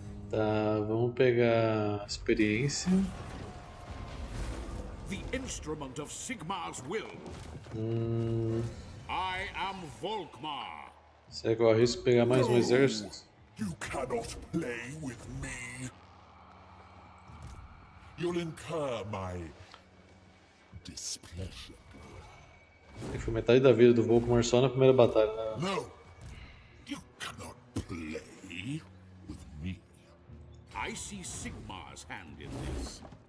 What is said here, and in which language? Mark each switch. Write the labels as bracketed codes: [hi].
[pt] Tá, vamos pegar experiência. [en] The instrument of Sigmar's will. I am Volkmar. [pt] Será que eu arrisco pegar mais um exército? [en] You cannot play with me. You'll incur my displeasure. [pt] Foi metade da vida do Volkmar só na primeira batalha. [en] No, you cannot play with me. I see Sigmar's hand in this.